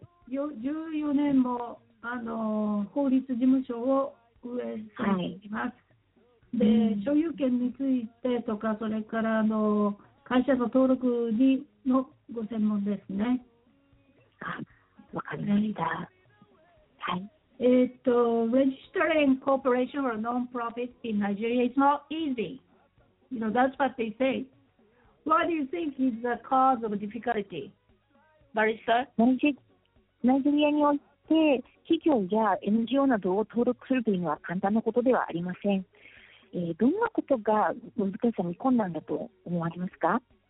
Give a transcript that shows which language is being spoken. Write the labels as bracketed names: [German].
[Japanese] 14年もあの法律事務所を運営されています、はい、で所有権についてとかそれからあの会社の登録にのご専門ですね。あ、わかりました。はい、 [English] registering corporation or non-profit in Nigeria is not easy, you know, that's what they say. What do you think is the cause of difficulty, barrister? [Japanese] ナイジェリアにおいて企業や NGO などを登録するというのは簡単なことではありません。どんなことが難しさに困難だと思われますか？